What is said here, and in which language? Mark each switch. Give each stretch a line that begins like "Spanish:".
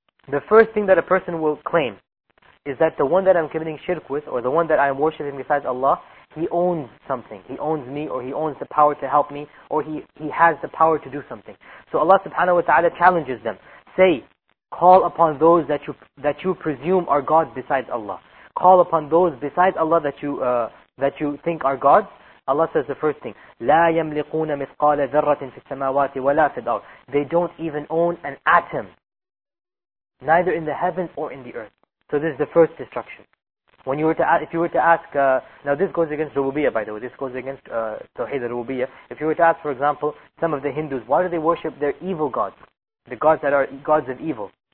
English: The first thing that a person will claim is that the one that I'm committing shirk with, or the one that I'm worshipping besides Allah, he owns something. He owns me, or he owns the power to help me, or he has the power to do something. So Allah subhanahu wa ta'ala challenges them. Say, call upon those that you presume are God besides Allah. Call upon those besides Allah that you think are God. Allah says the first thing,
Arabic: لَا يَمْلِقُونَ مِثْقَالَ ذَرَّةٍ فِي السَّمَاوَاتِ وَلَا فِي الْأَرْضِ.
English: They don't even own an atom, neither in the heavens or in the earth. So this is the first destruction. When you were to ask, now this goes against Rububiyyah, by the way, this goes against Tawheed al-Rububiyyah. If you were to ask, for example, some of the Hindus, why do they worship their evil gods, the gods that are gods of evil?